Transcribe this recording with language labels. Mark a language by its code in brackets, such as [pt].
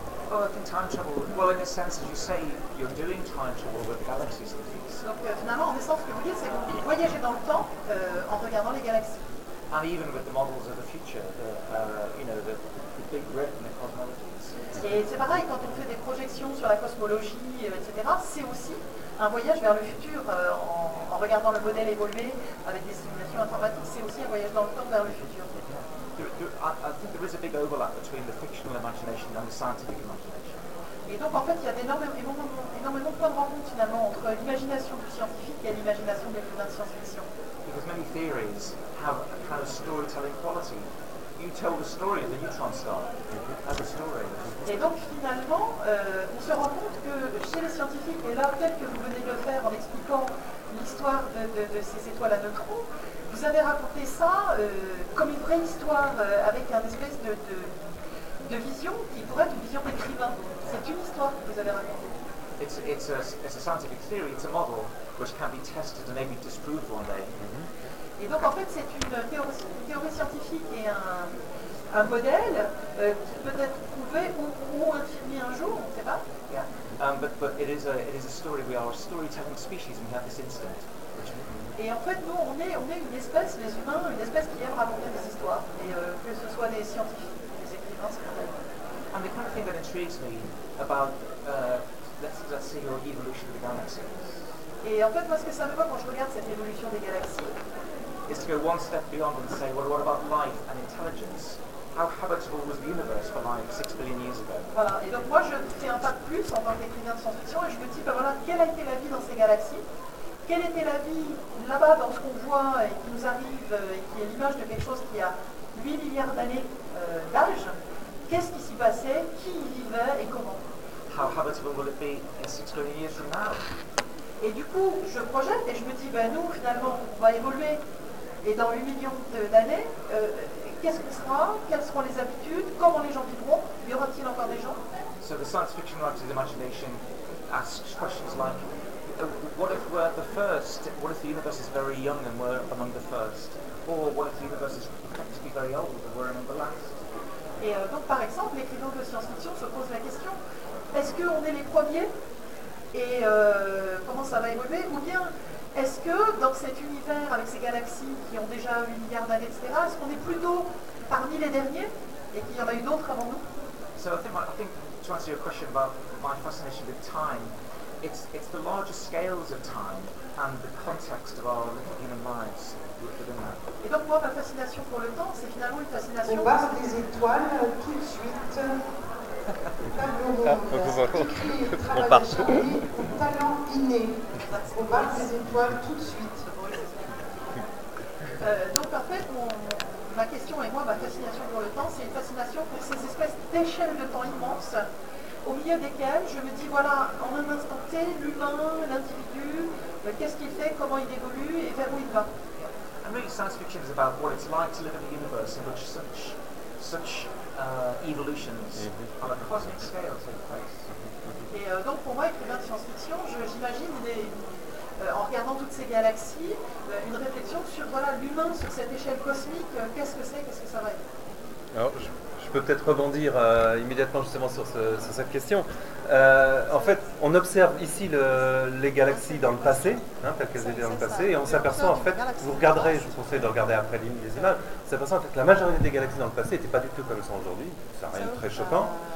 [en] Well, I think time travel, well, in a sense, as you say, you're doing time travel, but the galaxies are these. [fr] Donc, finalement, en essence, ce que vous dites, c'est voyager dans le temps en regardant les galaxies. [en] And even with the models of the future, the big grid and the cosmology. [fr] Et c'est pareil, quand on fait des projections sur la cosmologie, etc., c'est aussi un voyage vers le futur, en regardant le modèle évoluer avec des simulations informatiques, c'est aussi un voyage dans le temps vers le futur. [en] I think there is a big overlap between the fictional imagination and the scientific imagination. [fr] Et donc en fait, il y a énormément de points de rencontre finalement entre l'imagination du scientifique et l'imagination des films de science-fiction. [en] Because many theories have a kind of storytelling quality. You tell the story of the neutron star as a story. [fr] Et donc finalement, on se rend compte que chez les scientifiques, et là, tel que vous venez de le faire en expliquant l'histoire de ces étoiles à neutrons, vous avez raconté ça comme une vraie histoire, avec une espèce de vision qui pourrait être une vision d'écrivain. C'est une histoire que vous avez racontée. [en] It's a scientific theory, it's a model which can be tested and maybe disproved one day. Mm-hmm. [fr] Et donc en fait c'est une théorie scientifique et un modèle qui peut être prouvé ou infirmé un jour, on ne sait pas. [en] Yeah. But it is a story, we are a storytelling species and we have this instinct. [fr] Et en fait nous on est une espèce, les humains, une espèce qui aime raconter des histoires. Et que ce soit des scientifiques, des écrivains, c'est quand même. [en] And the kind of thing that intrigues me about let's see your evolution of the galaxies. [fr] Et en fait, moi, ce que ça me voit quand je regarde cette évolution des galaxies, [en] is to go one step beyond and say, well, what about life and intelligence? How habitable was the universe for life 6 billion years ago? [fr] Voilà. Et donc moi, je fais un pas de plus en tant qu'écrivain de science-fiction et je me dis, ben voilà, quelle a été la vie dans ces galaxies? Quelle était la vie là-bas dans ce qu'on voit et qui nous arrive et qui est l'image de quelque chose qui a 8 milliards d'années d'âge? Qu'est-ce qui s'y passait? Qui y vivait et comment? [en] How habitable will it be in 6 billion years from now? [fr] Et du coup, je projette et je me dis, ben nous, finalement, on va évoluer. Et dans 8 millions d'années, qu'est-ce qu'on sera? Quelles seront les habitudes? Comment les gens vivront? Y aura-t-il encore des gens? [en] So the science fiction writer's imagination asks questions like, what if we're the first? What if the universe is very young and we're among the first? Or what if the universe is effectively very old and we're among the last? [fr] Et donc, par exemple, l'écrivain de science-fiction se pose la question, est-ce qu'on est les premiers et comment ça va évoluer? Ou bien, est-ce que dans cet univers avec ces galaxies qui ont déjà 1 milliard d'années, etc., est-ce qu'on est plutôt parmi les derniers et qu'il y en a eu d'autres avant nous? [en] So I think to answer your question about my fascination with time, it's the larger scales of time and the context of our human lives within that. [fr] Et donc moi, ma fascination pour le temps, c'est finalement une fascination... On va voir des étoiles tout de suite. On part sur un talent inné. On part des étoiles tout de suite. Donc en fait, ma question et moi, ma fascination pour le temps, c'est une fascination pour ces espèces d'échelles de temps immenses, au milieu desquelles je me dis, voilà, en un instant T, l'humain, l'individu, qu'est-ce qu'il fait, comment il évolue et vers où il va. [en] And really, science fiction is about what it's like to live in a universe in which such evolutions on a cosmic scale take place. [fr] Et donc pour moi, écrivain de science-fiction, j'imagine en regardant toutes ces galaxies, une réflexion sur voilà, l'humain sur cette échelle cosmique, qu'est-ce que c'est, qu'est-ce que ça va être. Alors, je peux peut-être rebondir immédiatement justement sur cette question. En fait, on observe ici les galaxies dans le passé, hein, telles qu'elles étaient dans le passé, et on s'aperçoit en fait, vous regarderez, je vous conseille de regarder après les images, on s'aperçoit en fait que la majorité des galaxies dans le passé n'étaient pas du tout comme elles sont aujourd'hui, c'est rien de très choquant.